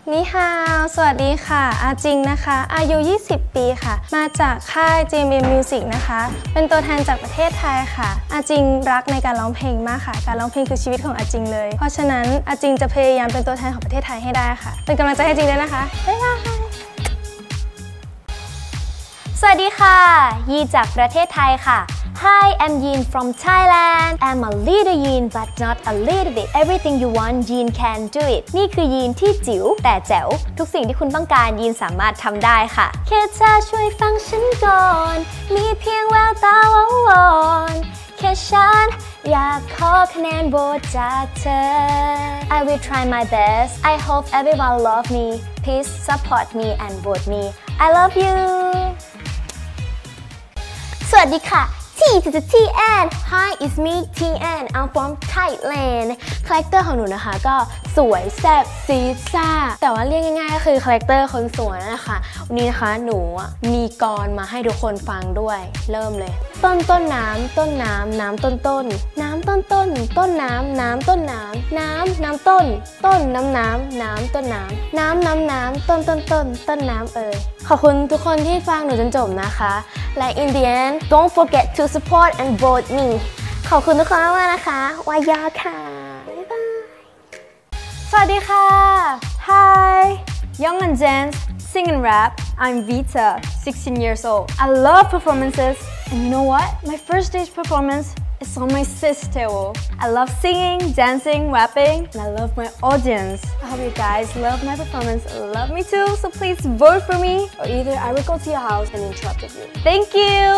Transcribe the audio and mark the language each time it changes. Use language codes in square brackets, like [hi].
[th] ฮาวสวัสดีค่ะอาจิงนะคะอายุ20ปีค่ะมาจากค่าย JBM Music นะคะเป็นตัวแทนจากประเทศไทยค่ะอาจิงรักในการร้องเพลงมากค่ะการร้องเพลงคือชีวิตของอาจิงเลยเพราะฉะนั้นอาจิงจะพยายามเป็นตัวแทนของประเทศไทยให้ได้ค่ะเป็นกำลังใจให้จิงด้วยนะคะ บ๊ายบาย สวัสดีค่ะยีจากประเทศไทยค่ะ [en] Hi, I'm Yin from Thailand. I'm a little Yin, but not a little bit. Everything you want, Yin can do it. [th] นี่คือ Yin ที่จิ๋วแต่แจ๋วทุกสิ่งที่คุณต้องการ Yin สามารถทำได้ค่ะแค่เธอช่วยฟังฉันก่อนมีเพียงแววตาวอนๆแค่ฉันอยากขอคะแนนโบสจากเธอ [en] I will try my best. I hope everyone love me. Please support me and vote me. I love you. [th] สวัสดีค่ะ [en] T.T.T.N. Hi, it's me, T.N. I'm from Thailand. [th] คาแรคเตอร์ของหนูนะคะก็สวยแซ่บซีซ่าแต่ว่าเรียกง่ายๆก็คือคาแรคเตอร์คนสวยนะคะวันนี้นะคะหนู มีกลอนมาให้ทุกคนฟังด้วยเริ่มเลยต้นต้นน้ำต้นน้ำน้ำต้นต้นน้ำต้นต้นต้นน้ำน้ำต้นน้ำน้ำน้ำต้นต้นน้ำน้ำน้ำต้นน้ำน้ำน้ำน้ำต้นต้นต้นต้นน้ำเออขอบคุณทุกคนที่ฟังหนูจนจบนะคะและ [en] in the end don't forget to support and vote me [th] ขอบคุณทุกคนมากนะคะวายาค่ะ สวัสดีค่ะ [en] Hi Young and dance Sing and rap I'm Vita 16 years old I love performances And you know what? My first stage performance is on my sister wall I love singing, dancing, rapping And I love my audience I hope you guys love my performance Love me too So please vote for me Or either I will go to your house and interrupt you Thank you!